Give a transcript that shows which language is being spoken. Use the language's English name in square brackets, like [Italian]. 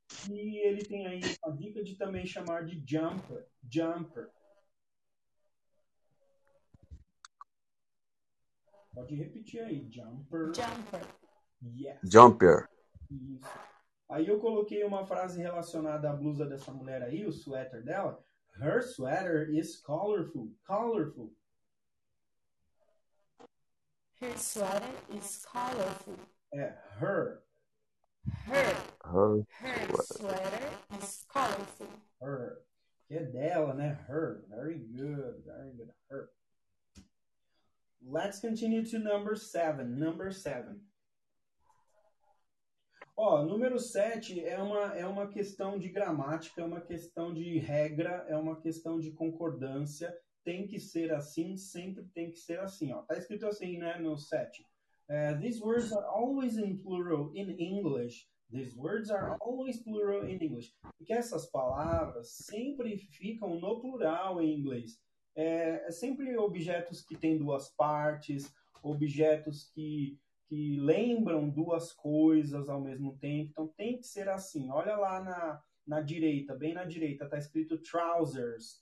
[Portuguese] E ele tem aí a dica de também chamar de jumper, jumper. Pode repetir aí, jumper. Yes. [English] Jumper. [Portuguese] Isso. Aí eu coloquei uma frase relacionada à blusa dessa mulher aí, o sweater dela. [English] Her sweater is colorful. Colorful. Her sweater is colorful. É, her. Her sweater is colorful. Her. [Portuguese] Que é dela, né? [English] Her. Very good. Very good. Her. Let's continue to number seven. Number seven. [Portuguese] Ó, número 7 é uma questão de gramática, é uma questão de regra, é uma questão de concordância. Tem que ser assim, sempre tem que ser assim, ó. Tá escrito assim, né, no 7? [English] These words are always in plural in English. These words are always plural in English. [Portuguese] Porque essas palavras sempre ficam no plural em inglês. É sempre objetos que têm duas partes, objetos que lembram duas coisas ao mesmo tempo. Então tem que ser assim. Olha lá na direita, bem na direita, tá escrito trousers.